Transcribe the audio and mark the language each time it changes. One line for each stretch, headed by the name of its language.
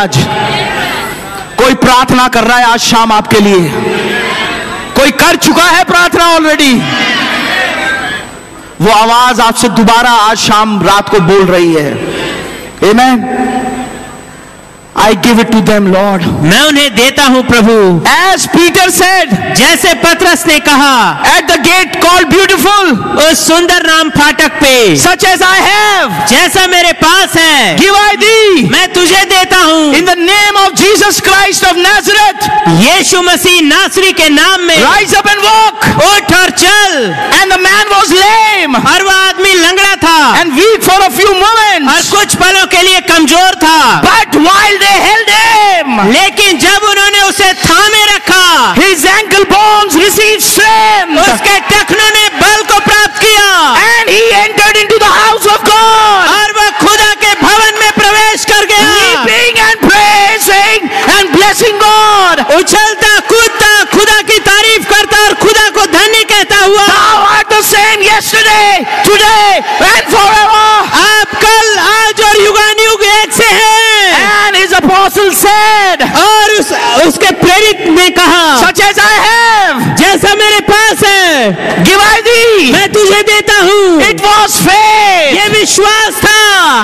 Hindi: आज कोई प्रार्थना कर रहा है आज शाम आपके लिए, कोई कर चुका है प्रार्थना ऑलरेडी, वो आवाज आपसे दोबारा आज शाम रात को बोल रही है, आमेन।
English: I give it to them, Lord.
Hindi: मैं उन्हें देता हूँ प्रभु।
English: As Peter said,
Hindi: जैसे पत्रस ने कहा,
English: At the gate called beautiful,
Hindi: उस सुंदर नाम फाटक पे,
English: Such as I have,
Hindi: जैसा मेरे पास है,
English: Give I thee,
Hindi: मैं तुझे देता हूँ,
English: In the name of Jesus Christ of Nazareth,
Hindi: यीशु मसीह नासरी के नाम में,
English: Rise up and walk,
Hindi: उठ और चल,
English: And the man was lame,
Hindi: और वह आदमी लंगड़ा था,
English: And weak for a few moments,
Hindi: और कुछ पलों के लिए कमजोर था,
English: But while They held him.
Hindi: लेकिन जब उन्होंने उसे थामे रखा,
English: His ankle bones received strength.
Hindi: उसके टखनों ने बल को प्राप्त किया,
English: And he entered into the house of God.
Hindi: और वह खुदा के भवन में प्रवेश कर गया,
English: Leaping and praising and blessing God.
Hindi: उछलता कूदता खुदा की तारीफ करता और खुदा को धन्य कहता हुआ,
English: Thou art the same yesterday, today and forever.
Hindi: आप कल आज और युगानुयुग एक से हैं।
English: Said,
Hindi: और उसके प्रेरित ने कहा,
English: Such as I have,
Hindi: जैसा मेरे पास है,
English: Give I thee,
Hindi: मैं तुझे देता हूँ,
English: It was faith,
Hindi: ये विश्वास था,